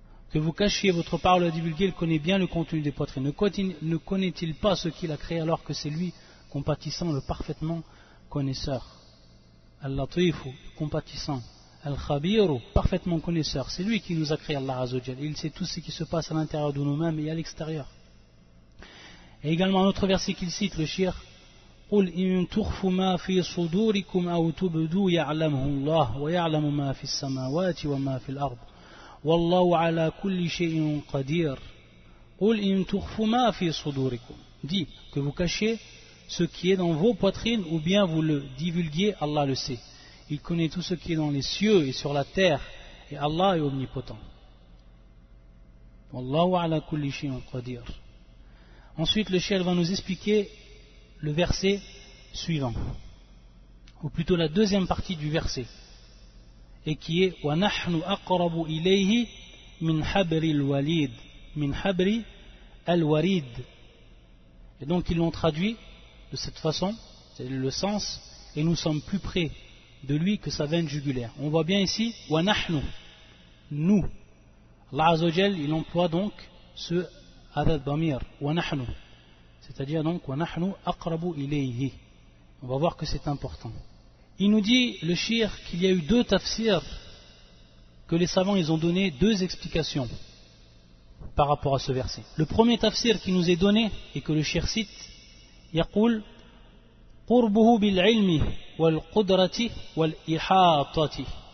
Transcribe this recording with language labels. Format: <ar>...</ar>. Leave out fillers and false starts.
<fr>Que vous cachiez votre parole à divulguer, il connaît bien le contenu des poitrines. Ne connaît-il pas ce qu'il a créé alors que c'est lui, compatissant, le parfaitement connaisseur. Al-Latifu, compatissant. Al-Khabiru, parfaitement connaisseur. C'est lui qui nous a créé, Allah Azza wa Jalla. Il sait tout ce qui se passe à l'intérieur de nous-mêmes et à l'extérieur. Et également un autre verset qu'il cite, le shir,</fr> <ar>قُلْ إِنْ تُخْفُوا مَا فِي صُدُورِكُمْ أَوْ تُبْدُوا يَعْلَمْهُ اللَّهُ وَيَعْلَمُ مَا فِي السَّمَاوَاتِ وَمَا فِي الْأَرْضِ وَاللَّهُ عَلَى كُلِّ شَيْءٍ قَدِيرٌ قُلْ إِنْ تُخْفُوا مَا فِي صُدُورِكُمْ.</ar> <fr>Dit que vous cachez ce qui est dans vos poitrines ou bien vous le divulguez, Allah le sait. Il connaît tout ce qui est dans les cieux et sur la terre et Allah est omnipotent.</fr> <ar>وَاللَّهُ عَلَى كُلِّ شَيْءٍ قَدِيرٌ.</ar> <fr>Ensuite, le shaykh va nous expliquer le verset suivant, ou plutôt la deuxième partie du verset, et qui est</fr> <ar>wa nahnu aqrabu ilayhi min habri al-walid min habri al-warid.</ar> <fr>Et donc ils l'ont traduit de cette façon, c'est le sens, et nous sommes plus près de lui que sa veine jugulaire. On voit bien ici wa nahnu, nous. Allah Azza wa Jal, il emploie donc ce hadath damir wa nahnu. C'est-à-dire donc</fr> <ar>وَنَحْنُ أَقْرَبُ إِلَيْهِ.</ar> <fr>On va voir que c'est important. Il nous dit, le shir, qu'il y a eu deux tafsirs, que les savants ils ont donné deux explications par rapport à ce verset. Le premier tafsir qui nous est donné et que le shir cite,</fr> <ar>يَقُولُ قُرْبُهُ بِالْعِلْمِ وَالْقُدْرَةِ وَالْإِحَاطَةِ.</ar>